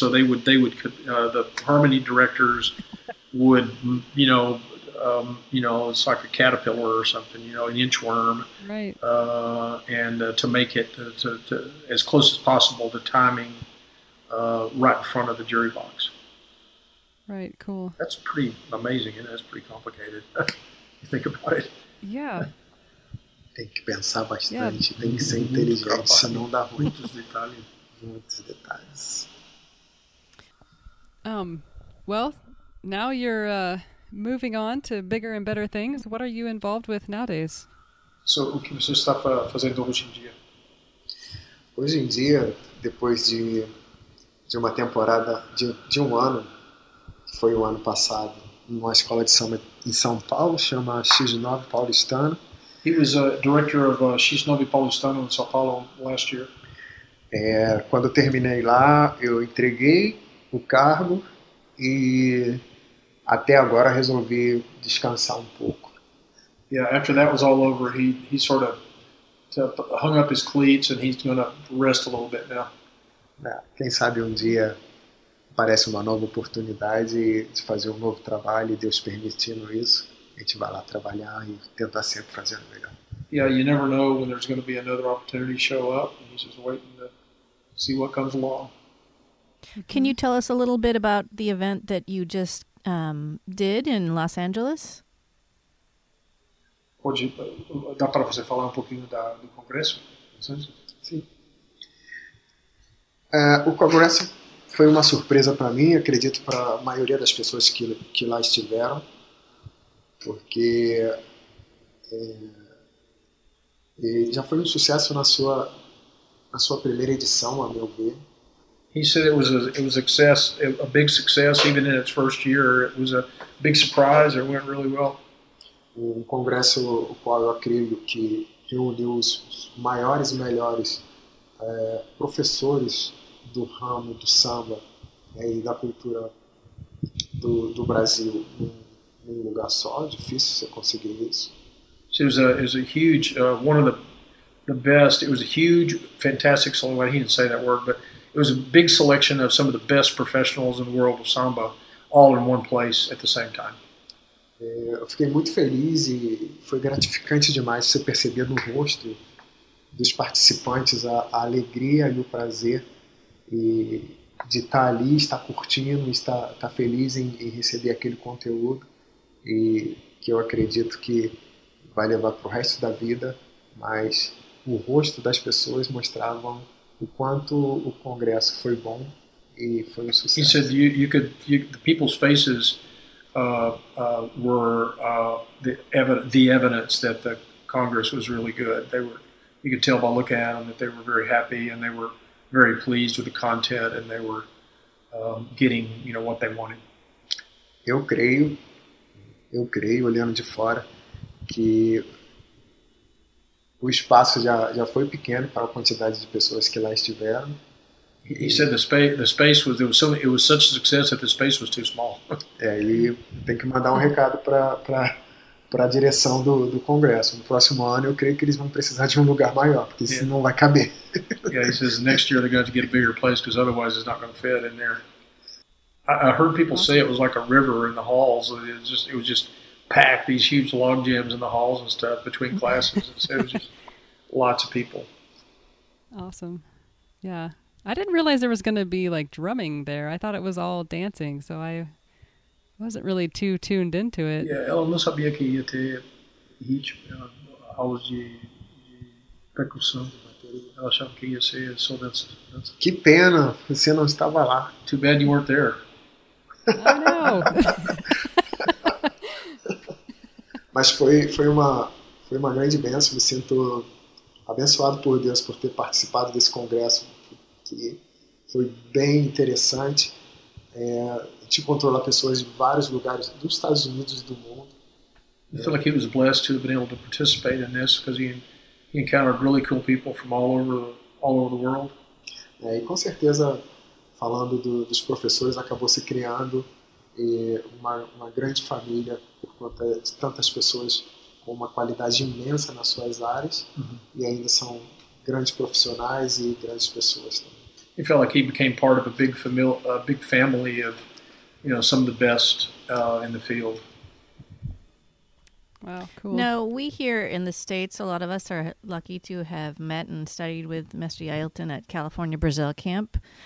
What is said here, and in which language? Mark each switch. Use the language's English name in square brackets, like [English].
[English] So they would the harmony directors would, you know, it's like a caterpillar or something, you know, an inchworm, right? And to make it to as close as possible to timing, right in front of the jury box. Right. Cool. That's pretty amazing, and that's pretty complicated. You think about it. Yeah. [Portuguese] Tem que pensar bastante. Yeah. Tem que ser inteligente, senão dá muitos detalhes. Muitos detalhes. [English] Well, now you're moving on to bigger and better things. What are you involved with nowadays? [Portuguese] So, o que você está fazendo hoje em dia? Hoje em dia, depois de uma temporada de um ano, que foi o ano passado, numa escola de samba em São Paulo, chama X9 Paulistano. [English] He was a director of X9 Paulistano in São Paulo last year. [Portuguese] É, quando terminei lá, eu entreguei o cargo e até agora resolvi descansar um pouco. [English] Yeah, after that was all over, he sort of hung up his cleats and he's going to rest a little bit now. [Portuguese] É, quem sabe um dia aparece uma nova oportunidade de fazer um novo trabalho e Deus permitindo isso. A gente vai lá trabalhar e tentar sempre fazer o melhor. [English] Yeah, you never know when there's going to be another opportunity show up. And he's just waiting to see what comes along. Can you tell us a little bit about the event that you just did in Los Angeles? [Portuguese] Pode, dá para você falar um pouquinho do congresso? Sim. O congresso foi uma surpresa para mim, acredito para a maioria das pessoas que lá estiveram. Porque já foi um sucesso na sua primeira edição, a meu ver. [English] He said it was a big success even in its first year. It was a big surprise. It went really well. [Portuguese] Um congresso o qual eu acredito que reuniu os maiores e melhores professores do ramo do samba e da cultura do Brasil. [English] So it was a huge one of the best. It was a huge, fantastic selection. Well, he didn't say that word, but it was a big selection of some of the best professionals in the world of samba, all in one place at the same time. [Portuguese] Eu fiquei muito feliz e foi gratificante demais você perceber no rosto dos participantes a alegria e o prazer de estar ali, estar curtindo, estar feliz em receber aquele conteúdo. E que eu acredito que vai levar para o resto da vida, mas o rosto das pessoas mostravam o quanto o congresso foi bom e foi um sucesso. [English] He said the people's faces were the evidence that the congress was really good. They were, you could tell by looking at them that they were very happy and they were very pleased with the content and they were getting, you know, what they wanted. [Portuguese] Eu creio, olhando de fora, que o espaço já foi pequeno para a quantidade de pessoas que lá estiveram. [English] He said the space was, there was so, it was such a success that the space was too small. [Portuguese] É, e tem que mandar um recado para a direção do congresso. No próximo ano, eu creio que eles vão precisar de um lugar maior, porque senão não vai caber. [English] Yeah, he says next year they're going to get a bigger place, because otherwise it's not going to fit in there. I heard people say it was like a river in the halls. It was just packed, these huge log jams in the halls and stuff between classes. So it was just lots of people. Awesome. Yeah. I didn't realize there was going to be like drumming there. I thought it was all dancing, so I wasn't really too tuned into it. [Portuguese] Yeah, eu não sabia que ia ter each aulas de percussão. Eu achava que ia ser só dança. Que pena, você não estava lá. [English] Too bad you weren't there. [Portuguese] Mas foi uma grande bênção. Me sinto abençoado por Deus por ter participado desse congresso, que foi bem interessante. É, a gente encontrou lá pessoas de vários lugares, dos Estados Unidos e do mundo. [English] I feel like he was blessed to have been able to participate in this because he encountered really cool people from all over the world. [Portuguese] É, e com certeza, falando dos professores, acabou se criando uma grande família por conta de tantas pessoas com uma qualidade imensa nas suas áreas, uh-huh. E ainda são grandes profissionais e grandes pessoas também. [English] He felt like he became part of a big family of, you know, some of the best in the field. Wow, cool. Now, we here in the States, a lot of us are lucky to have met and studied with Mestre Ailton at California Brazil Camp.